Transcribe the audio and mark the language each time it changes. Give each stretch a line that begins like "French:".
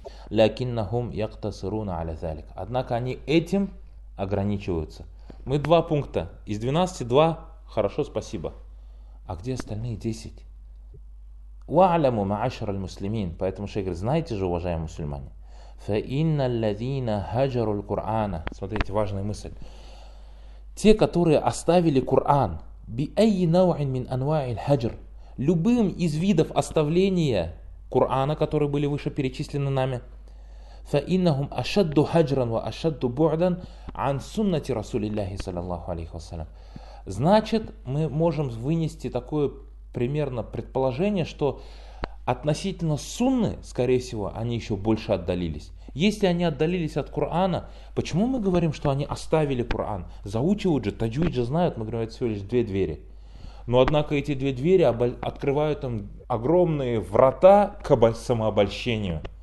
Arabic: «Лякиннахум яктасыруна аля залик».
Russian: Однако они этим ограничиваются. Мы 2 пункта, из 12 2, хорошо, спасибо. А где остальные 10?
Arabic: وَعْلَمُ مَعَشَرَ الْمُسْلِمِينَ.
Russian: Поэтому шейх говорит, знаете же, уважаемые мусульмане,
Arabic: فَإِنَّ الَّذِينَ هَجَرُوا الْقُرْآنَ.
Russian: Смотрите, важная мысль. Те, которые оставили Коран,
Arabic: بِأَيِّ نَوْعٍ مِنْ أَنْوَاعِ الْهَجْرِ,
Russian: любым из видов оставления Корана, которые были выше перечислены нами,
Arabic: فَإِنَّهُمْ أَشَدُّ هَجْرًا وَأَشَدُّ بُعْدًا عَنْ سُنَّةِ رَسُولِ اللَّهِ صَلَى اللَّهُ عَلَيْهِ وَسَلَّمَ.
Russian: Значит, мы можем вынести такое примерно предположение, что относительно сунны, скорее всего, они еще больше отдалились. Если они отдалились от Корана, почему мы говорим, что они оставили Коран? Заучивают же, таджвид же знают, мы говорим, это всего лишь 2 двери. Но однако эти 2 двери открывают им огромные врата к самообольщению.